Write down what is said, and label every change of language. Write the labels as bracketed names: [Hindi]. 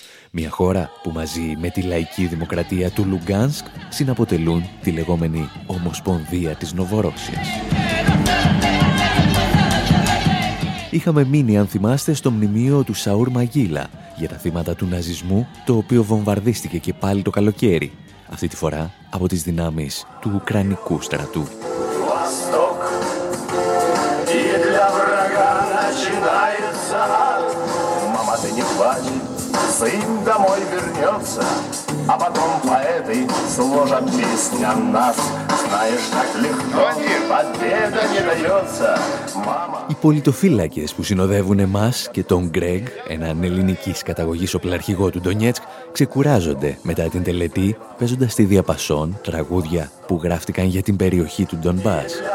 [Greek] Μια χώρα που μαζί με τη Λαϊκή Δημοκρατία του Λουγκάνσκ συναποτελούν τη λεγόμενη Ομοσπονδία της Νοβορώσιας. Είχαμε μείνει, αν θυμάστε, στο μνημείο του Σαούρ Μαγίλα για τα θύματα του ναζισμού, το οποίο βομβαρδίστηκε και πάλι το καλοκαίρι. Αυτή τη φορά από τις δυνάμεις του Ουκρανικού στρατού. [Russian] Восток, и для врага начинается. Мама, ты не плачь, сын домой вернется, а потом поэты сложат песни о нас. Знаешь, так легко, победа не дается. [Greek] Οι πολιτοφύλακες που συνοδεύουν εμάς και τον Γκρέγ, έναν ελληνικής καταγωγής οπλαρχηγό του Ντονιέτσκ, ξεκουράζονται μετά την τελετή, παίζοντας στη διαπασόν τραγούδια που γράφτηκαν για την περιοχή του Ντονμπάς.